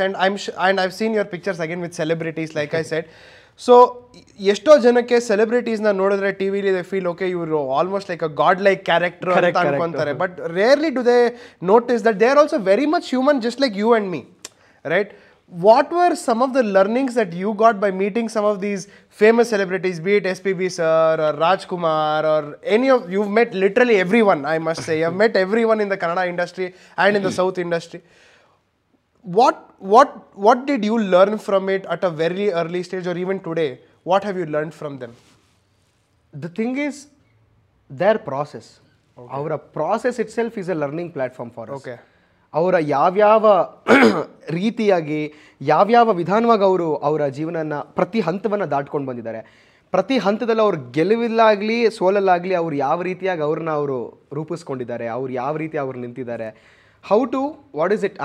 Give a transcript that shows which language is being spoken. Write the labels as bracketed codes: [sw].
[en] And I have seen your pictures again with celebrities like I said. [kn] So ಎಷ್ಟೋ ಜನಕ್ಕೆ ಸೆಲೆಬ್ರಿಟೀಸ್ನ ನೋಡಿದ್ರೆ T ವಿಲಿ [en] they feel okay [kn] ಇವರು [en] almost like a god like character [kn] ಅಂತ ಅನ್ಕೊಂತಾರೆ. [en] But rarely do they notice that they are also very much human just like you and me, right? What were some of the learnings that you got by meeting some of these famous celebrities, be it SPB sir or Rajkumar or any of, you've met literally everyone, I must say. You've met everyone in the Kannada industry and in the South industry. What did you learn from it at a very early stage or even today? What have you learned from them? The thing is, their process. Okay. Our process itself is a learning platform for us. Okay. [kn] ಅವರ ಯಾವ್ಯಾವ ರೀತಿಯಾಗಿ ಯಾವ್ಯಾವ ವಿಧಾನವಾಗಿ ಅವರು ಅವರ ಜೀವನನ ಪ್ರತಿ ಹಂತವನ್ನು ದಾಟ್ಕೊಂಡು ಬಂದಿದ್ದಾರೆ. ಪ್ರತಿ ಹಂತದಲ್ಲಿ ಅವ್ರ ಗೆಲುವಿಲ್ಲಾಗಲಿ ಸೋಲಲ್ಲಾಗಲಿ ಅವ್ರು ಯಾವ ರೀತಿಯಾಗಿ ಅವ್ರನ್ನ ಅವರು ರೂಪಿಸ್ಕೊಂಡಿದ್ದಾರೆ, ಅವ್ರು ಯಾವ ರೀತಿ ಅವ್ರು ನಿಂತಿದ್ದಾರೆ, [en] How to what is it.